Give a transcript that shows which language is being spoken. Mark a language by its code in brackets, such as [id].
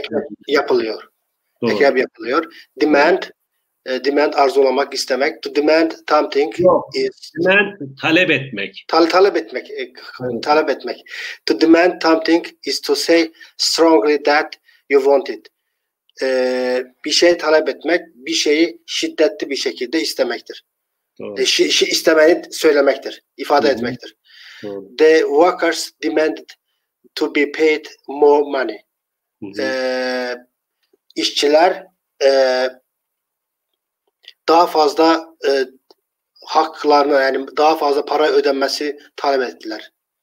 [tr] ekmek yapılıyor. Doğru. Ekmek yapılıyor. Doğru. [en] Demand, [tr] arzulamak, istemek. [en] To demand something [tr] Yok. [en] is [tr] Hemen talep etmek. talep etmek. Evet. Talep etmek. [en] To demand something is to say strongly that you want it. [tr] Bir şey talep etmek, bir şeyi şiddetli bir şekilde istemektir. Doğru. İstemeyi söylemektir, ifade etmektir. Doğru. [en] The workers demanded to be paid more money. [tr] İşçiler daha fazla haklarını, yani daha fazla para ödenmesi talep ettiler.